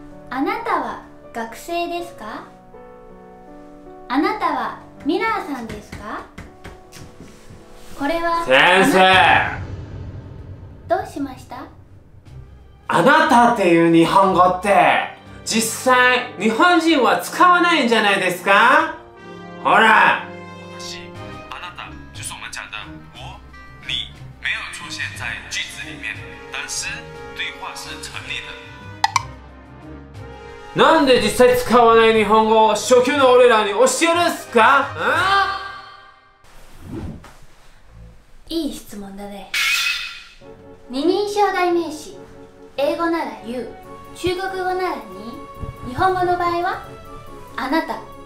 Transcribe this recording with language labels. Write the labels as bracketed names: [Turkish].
[Japanese] あなたは学生ですか？あなたはミラーさんですか？これは先生。どうしました？あなたっていう日本語って実際日本人は使わないんじゃないですか？ほら。 [Chinese] 私、あなた、就是我们讲的我、你、没有出现在句子里面，但是对话是成立的。 [Japanese] なんで実際使わない日本語を初級の俺らに教えるっすか？いい質問だね。二人称代名詞、英語なら you、中国語なら你、日本語の場合はあなた。